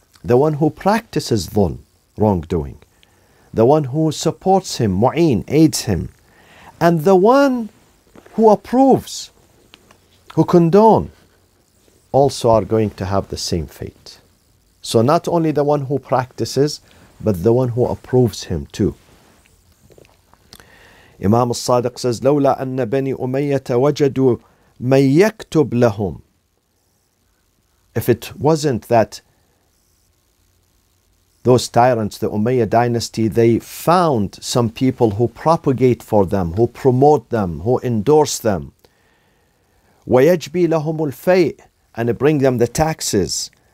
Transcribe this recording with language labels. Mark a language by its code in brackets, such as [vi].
[en] The one who practices dhulm, wrongdoing, the one who supports him, mu'in, aids him, and the one who approves, who condone, also are going to have the same fate. So not only the one who practices, but the one who approves him too. Imam al-Sadiq says, [ar] لولا أن بني أمية وجدوا من يكتب لهم. [en] If it wasn't that those tyrants, the Umayyad dynasty, they found some people who propagate for them, who promote them, who endorse them. [ar] ويجبي لهم الفيء, [en] and bring them the taxes.